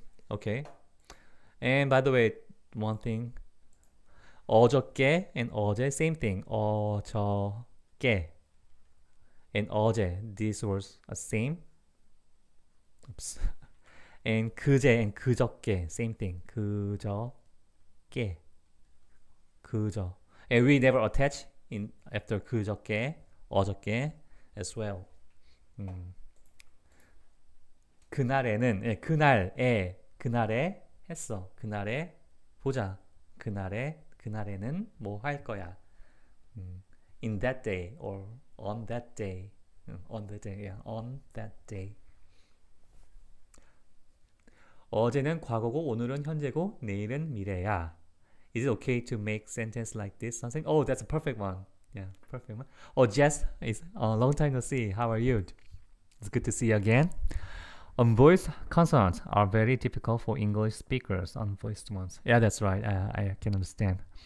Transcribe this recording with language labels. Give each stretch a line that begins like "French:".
English: Okay. And by the way, one thing, 어저께 and 어제, same thing, 어저께 and 어제, these words are same. Oops. And 그제 and 그저께, same thing, 그저께, 그저. And we never attach in after 그저께, 어저께 as well.
Korean: 그날에는, 예, 그날에, 그날에 했어. 그날에 보자. 그날에, 그날에는 뭐 할 거야.
English: In that day or on that day. On the day, yeah. On that day.
Korean: 어제는 과거고 오늘은 현재고 내일은 미래야.
English: Is it okay to make sentence like this, 선생님? Oh, that's a perfect one. Yeah, perfect one. Oh, Jess, it's a long time to see. How are you? It's good to see you again. Unvoiced consonants are very difficult for English speakers, unvoiced ones. Yeah, that's right. I can understand.